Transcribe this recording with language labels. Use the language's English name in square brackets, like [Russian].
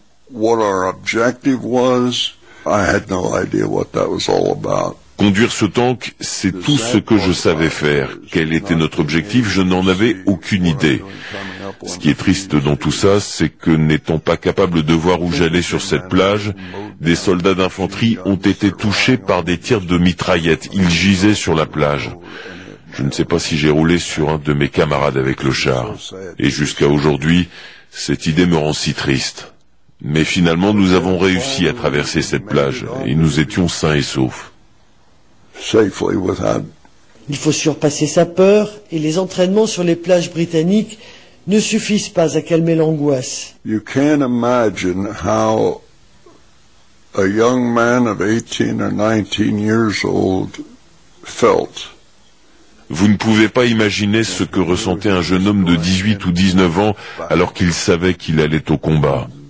[English] What our objective was, I had no idea what that was all about. [French] Conduire ce tank, c'est tout ce que je savais faire. Quel était notre objectif, je n'en avais aucune idée. Ce qui est triste dans tout ça, c'est que n'étant pas capable de voir où j'allais sur cette plage, des soldats d'infanterie ont été touchés par des tirs de mitraillettes. Ils gisaient sur la plage. Je ne sais pas si j'ai roulé sur un de mes camarades avec le char. Et jusqu'à aujourd'hui, cette idée me rend si triste. Mais finalement, nous avons réussi à traverser cette plage et nous étions sains et saufs. Il faut surpasser sa peur et les entraînements sur les plages britanniques ne suffisent pas à calmer l'angoisse. [English] You can't imagine how a young man of 18 or 19 years old felt. [French] Vous ne pouvez pas imaginer ce que ressentait un jeune homme de 18 ou 19 ans alors qu'il savait qu'il allait au combat.